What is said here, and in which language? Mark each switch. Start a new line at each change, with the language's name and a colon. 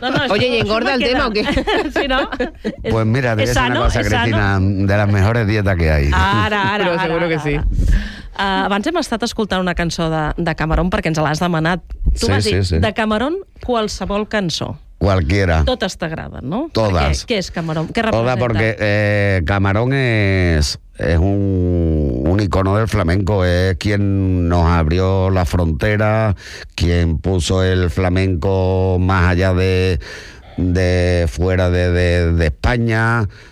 Spanish: Oye, ¿y engorda el tema o qué? Sí, ¿no? Pues mira, debe ser una cosa, Cristina, de las mejores dietas que hay.
Catalan: Ara.
Spanish: Pero seguro que sí.
Catalan: Abans hem estat escoltant una cançó de Camarón perquè ens l'has demanat. Tu m'has dit, de Camarón, qualsevol cançó.
Spanish: Cualquiera.
Catalan: Totes t'agraden, no?
Spanish: Todas. ¿Qué es Camarón? ¿Qué representa? Toda, porque Camarón es un icono del flamenco, es quien nos abrió la frontera, quien puso el flamenco más allá de fuera de España.